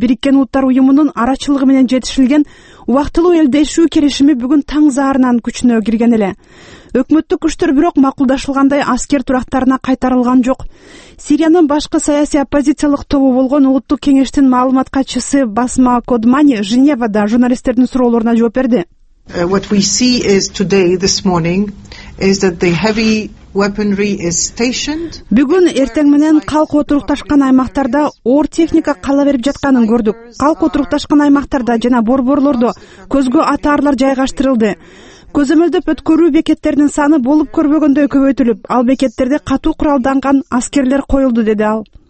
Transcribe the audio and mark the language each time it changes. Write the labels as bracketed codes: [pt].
[ky] Бириккен Улуттар Уюмунун арачылыгы менен жетишилген убактылуу элдешүү келишими бүгүн таң заарынан күчүнө кирген эле. Өкмөттүк күчтөр бирок макулдашылгандай аскер турактарына кайтарылган жок. Сириянын башкы саясий оппозициялык тобу болгон Улуттук кеңештин маалымат катчысы Басма Кодмани Женевада журналисттердин суроолоруна жооп берди. [en] What we see is today, this morning, is that the heavy weaponry is stationed. [ky] Бүгүн эртең менен калк отурукташкан аймактарда оор техника кала берип жатканын көрдүк. Калк отурукташкан аймактарда жана борборлордо көзгө атаарлар жайгаштырылды. Көзөмөлдөп өткөрүү бекеттеринин саны болуп көрбөгөндөй көбөйтүлүп, ал бекеттерде катуу куралданган аскерлер коюлду, деди ал.